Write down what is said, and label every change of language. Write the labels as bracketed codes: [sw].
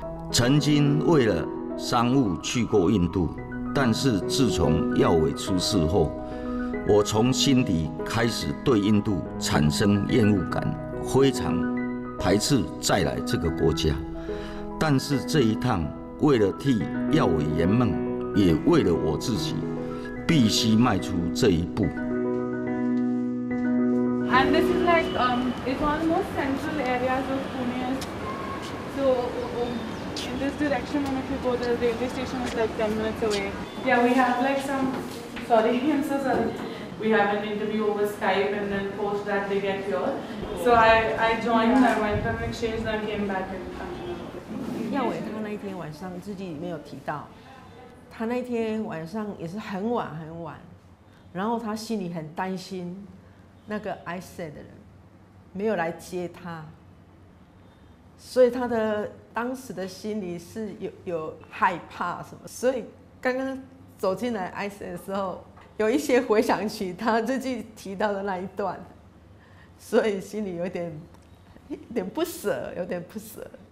[zh] 曾经为了商务去过印度，但是自从耀伟出事后，我从心底开始对印度产生厌恶感，非常排斥再来这个国家。但是这一趟为了替耀伟圆梦，也为了我自己，必须迈出这一步。 [en] And this is like it's one of the most central areas of Pune. So in this direction, when if you go, the railway station is like 10 minutes away. Yeah, we have like some. Sorry, I'm so sorry. We have an interview over Skype, and then post that they get here. So I joined, I went from exchange, then came back and come. [zh] 耀伟他那一天晚上自己没有提到，他那天晚上也是很晚很晚，然后他心里很担心。那个 I said 的人没有来接他，所以他的当时的心里是 有害怕什么，所以刚刚走进来 I said 的时候，有一些回想起他最近提到的那一段，所以心里有点不舍，有点不舍。